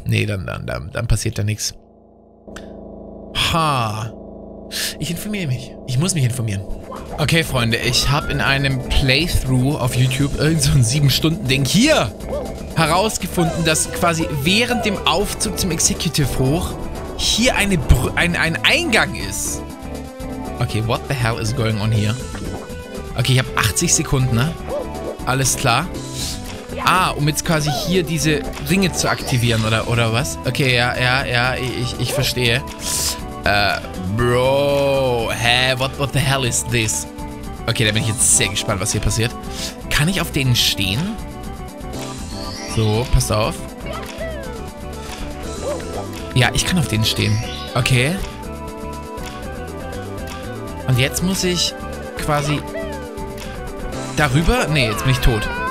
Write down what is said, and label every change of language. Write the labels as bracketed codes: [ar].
[de] Nee, dann passiert da nichts. Ha. Ich informiere mich. Ich muss mich informieren. Okay, Freunde, ich habe in einem Playthrough auf YouTube irgend so ein 7-Stunden-Ding hier herausgefunden, dass quasi während dem Aufzug zum Executive hoch hier ein Eingang ist. [en] Okay, what the hell is going on here? [de] Okay, ich habe 80 Sekunden, ne? Alles klar. Ah, um jetzt quasi hier diese Ringe zu aktivieren, oder was? Okay, ja, ich verstehe. [en] Bro, hä, what the hell is this? [de] Okay, da bin ich jetzt sehr gespannt, was hier passiert. Kann ich auf denen stehen? So, passt auf. Ja, ich kann auf denen stehen. Okay. Und jetzt muss ich quasi darüber? Nee, jetzt bin ich tot.